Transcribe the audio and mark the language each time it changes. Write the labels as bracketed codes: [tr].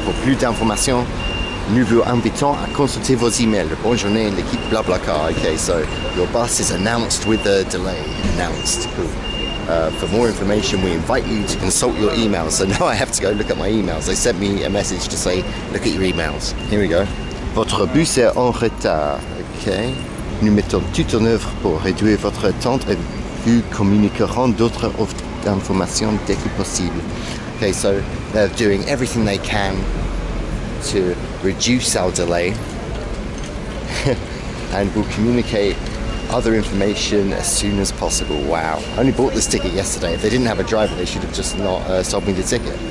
[fr] Pour plus d'informations, nous vous invitons à consulter vos emails. Bonne journée, l'équipe BlaBlaCar. [en] Okay, so your bus is announced with a delay. Announced. Cool. For more information, we invite you to consult your emails. So now I have to go look at my emails. They sent me a message to say, look at your emails. Here we go. [fr] Votre bus est en retard. Okay. Nous mettons tout en œuvre pour réduire votre attente et vous communiquerons d'autres informations dès que possible. [en] Okay, so they're doing everything they can to reduce our delay and we'll communicate other information as soon as possible. Wow, I only bought this ticket yesterday. If they didn't have a driver, they should have just not sold me the ticket.